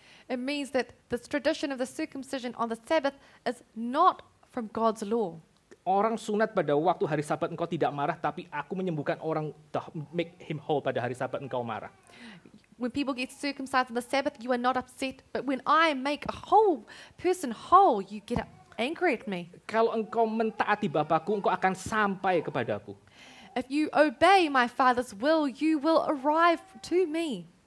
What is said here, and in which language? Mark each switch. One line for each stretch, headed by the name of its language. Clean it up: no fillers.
English: It means that this tradition of the circumcision on the Sabbath is not from God's law.
Indonesian: Orang sunat pada waktu hari Sabat engkau tidak marah, tapi aku menyembuhkan orang,
English: make him whole
Indonesian: pada hari Sabat engkau marah.
English: When people get circumcised on the Sabbath, you are not upset, but when I make a whole person whole, you get angry at me.
Indonesian: Kalau engkau mentaati Bapa-Ku, engkau akan sampai kepada-Ku.
English: If you obey my Father's will, you will arrive to me.